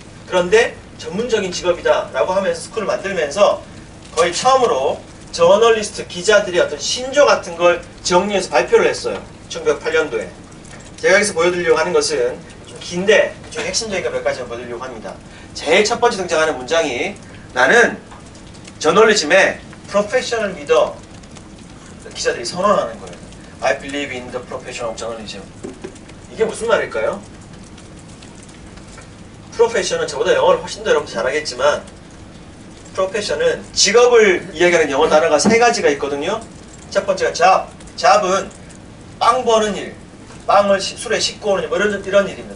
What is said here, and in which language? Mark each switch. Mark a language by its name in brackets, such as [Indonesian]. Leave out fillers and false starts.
[Korean] 그런데 전문적인 직업이다 라고 하면서 스쿨을 만들면서 거의 처음으로 저널리스트 기자들의 어떤 신조 같은 걸 정리해서 발표를 했어요. 1908년도에. 제가 여기서 보여드리려고 하는 것은 좀 긴데 좀 핵심적인 거 몇 가지 보여드리려고 합니다. 제일 첫 번째 등장하는 문장이 나는 저널리즘의 프로페셔널 리더 기자들이 선언하는 거예요. [English] I believe in the professional journalism. [Korean] 이게 무슨 말일까요? 프로페셔널은 저보다 영어를 훨씬 더 여러분 잘하겠지만 프로페셔널은 직업을 이야기하는 영어 단어가 세 가지가 있거든요. 첫 번째가 job. job은 빵 버는 일, 빵을 술에 싣고 오는 일, 뭐 이런 일입니다.